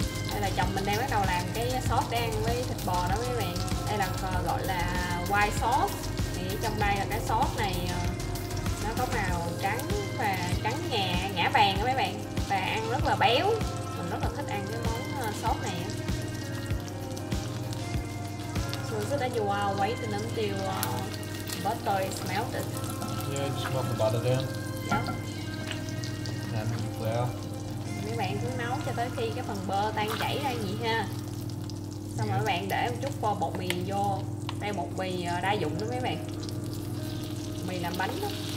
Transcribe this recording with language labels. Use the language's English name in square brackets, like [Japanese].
[Vietnamese] Đây là chồng mình đang bắt đầu làm cái sốt đen với thịt bò đó mấy bạn. Đây là gọi là white sauce. Thì trong đây là cái sốt này nó có màu trắng và trắng ngà, ngã vàng đó mấy bạn. Và ăn rất là béo. Mình rất là thích ăn cái món sốt này. [English] So is it that you are waiting until butter is melted? Yeah, just melt the butter down. Yeah. And flour. [Vietnamese] Mấy bạn cứ nấu cho tới khi cái phần bơ tan chảy ra vậy ha. Xong rồi mấy bạn để một chút vô bột mì vô. Đây bột mì đa dụng đó mấy bạn. Mì làm bánh đó.